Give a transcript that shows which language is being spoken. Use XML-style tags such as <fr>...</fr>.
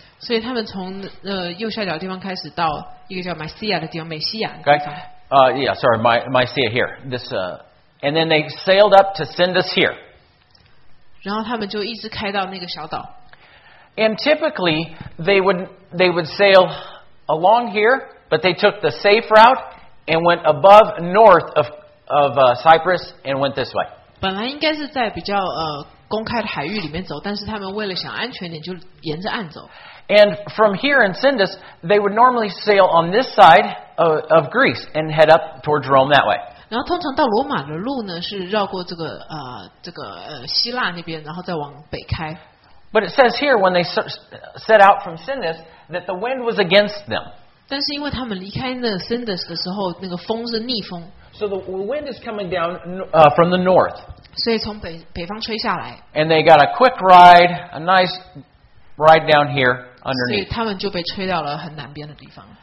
<zh>所以他们从右下角的地方开始到一个叫 Mysia 的地方，美西亚的地方。</zh> <en>Okay. Yeah, sorry, Mysia here. This, and then they sailed up to send us here.</en> <zh>然后他们就一直开到那个小岛。</zh> <en>And typically they would sail along here, but they took the safe route and went above north of Cyprus and went this way.</en> <zh>本来应该是在比较公开的海域里面走，但是他们为了想安全点，就沿着岸走。</zh> <en>And from here in Sindus, they would normally sail on this side of Greece and head up towards Rome that way.</en> <zh>然后通常到罗马的路呢，是绕过这个希腊那边，然后再往北开。</zh> <en>But it says here when they set out from Sindus that the wind was against them.</en> <zh>但是因为他们离开那 Sindus 的时候，那个风是逆风。</zh> <en>So the wind is coming down from the north.</en> <zh>所以从北方吹下来。</zh> <en>And they got a quick ride, a nice ride down here underneath.</en> <zh>所以他们就被吹到了很南边的地方。</zh>